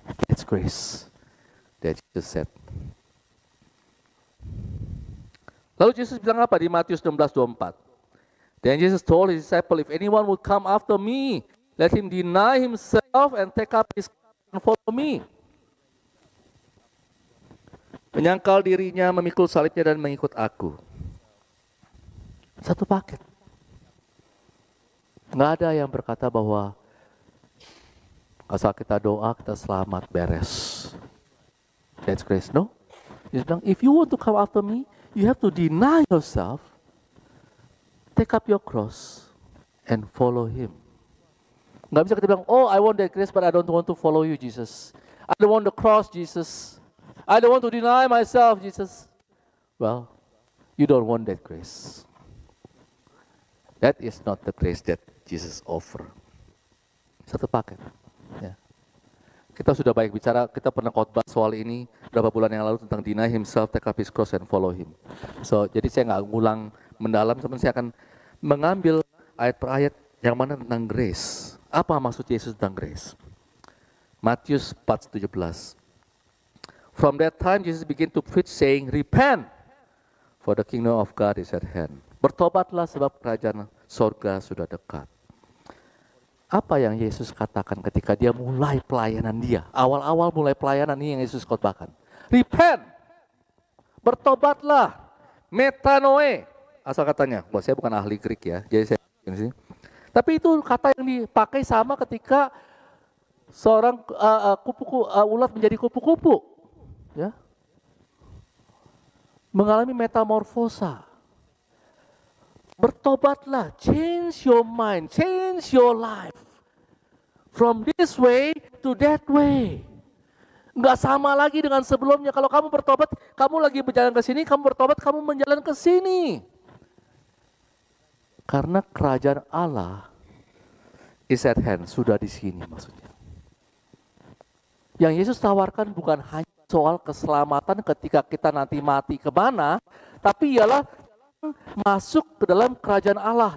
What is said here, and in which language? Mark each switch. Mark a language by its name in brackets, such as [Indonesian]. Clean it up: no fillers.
[English] It's grace that Jesus said. [Indonesian] Lalu Yesus bilang apa di Matius 16:24? [English] Then Jesus told his disciples, if anyone would come after me, let him deny himself and take up his cross and follow me. [Indonesian] Menyangkal dirinya, memikul salibnya dan mengikut aku. Satu paket. Enggak ada yang berkata bahwa asal kita doa, kita selamat, beres. [English] That's grace, no? [Indonesian] Dia bilang, [English] if you want to come after me, you have to deny yourself, take up your cross, and follow him. [Indonesian] Gak bisa kita bilang, [English] oh, I want that grace, but I don't want to follow you, Jesus. I don't want the cross, Jesus. I don't want to deny myself, Jesus. Well, you don't want that grace. That is not the grace that Jesus offer. [Indonesian] Satu paket. Ya. Kita sudah baik bicara, kita pernah khotbah soal ini beberapa bulan yang lalu tentang [English] deny himself, take up his cross and follow him. [Indonesian] So, jadi saya enggak ngulang mendalam, cuma saya akan mengambil ayat per ayat yang mana tentang grace. Apa maksud Yesus tentang grace? Matius 4:17. [English] From that time Jesus began to preach saying, repent for the kingdom of God is at hand. [Indonesian] Bertobatlah sebab kerajaan surga sudah dekat. Apa yang Yesus katakan ketika dia mulai pelayanan dia? Awal-awal mulai pelayanan ini yang Yesus khotbahkan. [English] Repent. [Indonesian] Bertobatlah. Metanoe. Asal katanya. Bahwa saya bukan ahli Greek ya. Jadi saya ini. Tapi itu kata yang dipakai sama ketika seorang ulat menjadi kupu-kupu. Ya. Mengalami metamorfosa. Bertobatlah, [English] change your mind, change your life. From this way to that way. [Indonesian] Enggak sama lagi dengan sebelumnya. Kalau kamu bertobat, kamu lagi berjalan ke sini, kamu bertobat, kamu menjalan ke sini. Karena kerajaan Allah [English] is at hand, [Indonesian] sudah di sini maksudnya. Yang Yesus tawarkan bukan hanya soal keselamatan ketika kita nanti mati ke mana, tapi ialah masuk ke dalam kerajaan Allah.